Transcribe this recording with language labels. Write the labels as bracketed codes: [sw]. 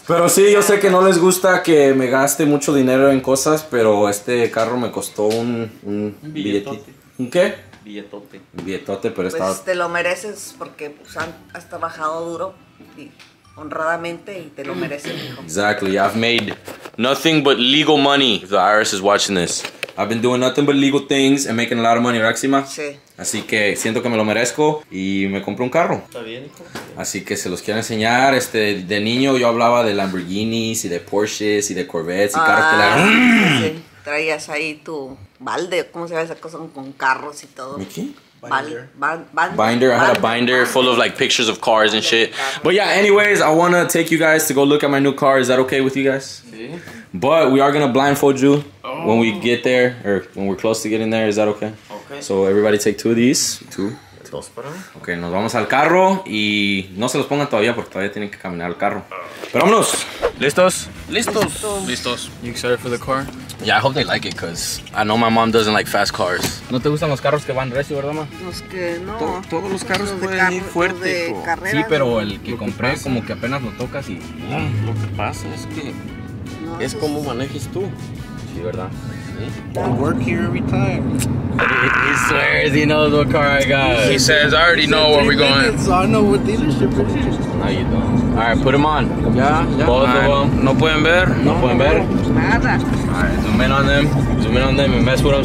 [es] Pero sí, yo sé que no les gusta que me gaste mucho dinero en cosas, pero este carro me costó un billetito. ¿Un qué? Billetote, pero pues estaba... Pues te lo mereces porque pues, has trabajado duro y honradamente y te lo mereces, hijo. [en] Exactly. I've made nothing but legal money. If the IRS is watching this. I've been doing nothing but legal things and making a lot of money, Raxima. [es] Sí. Así que siento que me lo merezco y me compré un carro. Está bien, hijo. Así que se los quiero enseñar. De niño yo hablaba de Lamborghinis y de Porsches y de Corvettes y carros que la... Sí, traías ahí tu... Balde, ¿cómo se llama esa cosa con carros y todo? ¿Mi qué? [en] Binder. I had a binder full of like pictures of cars and shit. But yeah, anyways, I want to take you guys to go look at my new car. Is that okay with you guys? [es] Sí. [en] But we are going to blindfold you when we get there or when we're close to getting there. Is that okay? Okay. So everybody take two of these. Two. [es] Dos para mí. Okay, nos vamos al carro y no se los pongan todavía porque todavía tienen que caminar al carro. Pero vámonos. ¿Listos? Listos. Listos. [en] You excited for the car? Yeah, I hope they like it, cuz I know my mom doesn't like fast cars. [es] ¿No te gustan los carros que van recio, verdad, ma? Los que no. Todos los carros pueden ir fuerte. Sí, pero el que compré como que apenas lo tocas y... Lo que pasa es que es como manejes tú. Sí, ¿verdad? [en] I work here every time. He swears he knows what car I got. He says, I already know where we're going. So I know what dealership it is. No, you don't. All right, put them on. Yeah. Both of them. [es] No pueden ver. No pueden ver. Nada. [en] All right, zoom in on them. Zoom in on them and mess with them.